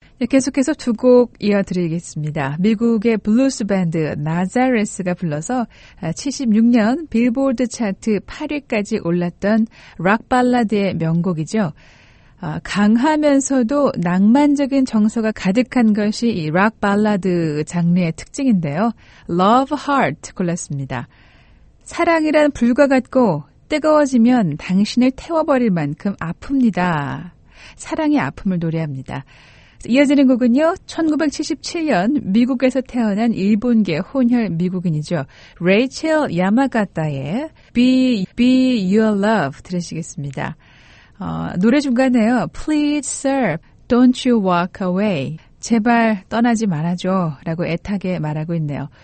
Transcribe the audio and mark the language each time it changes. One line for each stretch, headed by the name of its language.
Korean: 계속해서 두 곡 이어드리겠습니다. 미국의 블루스 밴드 나자레스가 불러서 76년 빌보드 차트 8위까지 올랐던 락 발라드의 명곡이죠. 강하면서도 낭만적인 정서가 가득한 것이 이 락 발라드 장르의 특징인데요. Love Heart 골랐습니다. 사랑이란 불과 같고 뜨거워지면 당신을 태워버릴 만큼 아픕니다. 사랑의 아픔을 노래합니다. 이어지는 곡은요, 1977년 미국에서 태어난 일본계 혼혈 미국인이죠. 레이첼 야마가타의 Be Your Love 들으시겠습니다. 노래 중간에요.
English: Please, sir, don't you walk away.
Korean: 제발 떠나지 말아줘 라고 애타게 말하고 있네요.